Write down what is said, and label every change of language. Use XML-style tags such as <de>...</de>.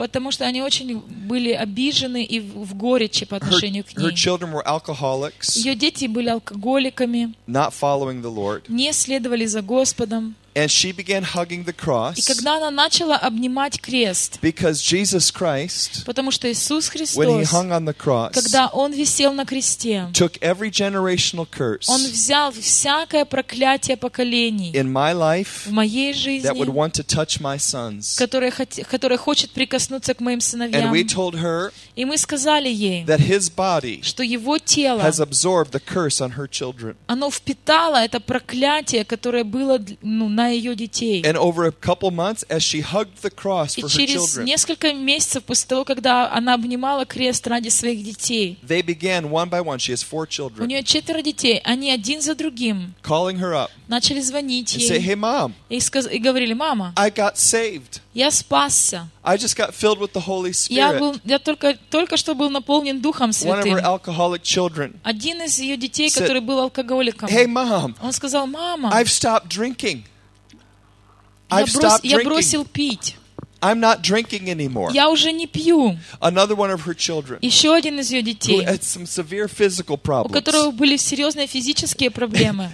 <ru>Потому что они очень были обижены и в горечи по отношению к ней.</ru> <en>Her children were alcoholics.</en> <ru>Её дети были алкоголиками.</ru> <en>Not following the Lord.</en> <ru>Не следовали за Господом.</ru> <en>And she began hugging the cross.</en> <ru>И когда она начала обнимать крест.</ru> <en>Because Jesus Christ.</en> <ru>Потому что Иисус Христос.</ru> <en>When he hung on the cross.</en> <ru>Когда он висел на кресте.</ru> <en>Took every generational curse.</en> <ru>Он взял всякое проклятие поколений.</ru> <en>In my life.</en> <ru>В моей жизни.</ru> <en>That would want to touch my sons.</en> <ru>Которая хочет прикоснуться к моим сыновьям.</ru> <en>And we told her.</en> <ru>И мы сказали ей.</ru> <en>That his body.</en> <ru>Что его тело.</ru> <en>Has absorbed the curse on her children.</en> <ru>Оно впитало это проклятие, которое было, ну, на её детей.</ru> <en>And over a couple months as she hugged the cross for her children.</en> <ru>И через несколько месяцев после того, когда она обнимала крест ради своих детей.</ru> <en>They began one by one. She has 4 children.</en> <ru>У неё 4 детей, они один за другим.</ru> <en>Calling her up.</en> <ru>Начали звонить ей.</ru> <en>And say, "Hey, mom."</en> <ru>И говорили: "Мама."</ru> <en>I got saved.</en> <ru>Я спасся.</ru> <en>I just got filled with the Holy Spirit.</en> <ru>Я только что был наполнен Духом Святым.</ru> <en>One of her alcoholic children.</en> <ru>Один из её детей, который был алкоголиком.</ru> <en>"Hey, mom."</en> <ru>Он сказал: "Мама."</ru> <en>I've stopped drinking.</en> <ru>Я бросил пить.</ru> <en>I'm not drinking anymore.</en> <ru>Я уже не пью.</ru> <en>Another one of her children.</en> <ru>Ещё один из её детей.</ru> <en>Who had some severe physical problems.</en> <ru>У которого были серьёзные физические проблемы.</ru>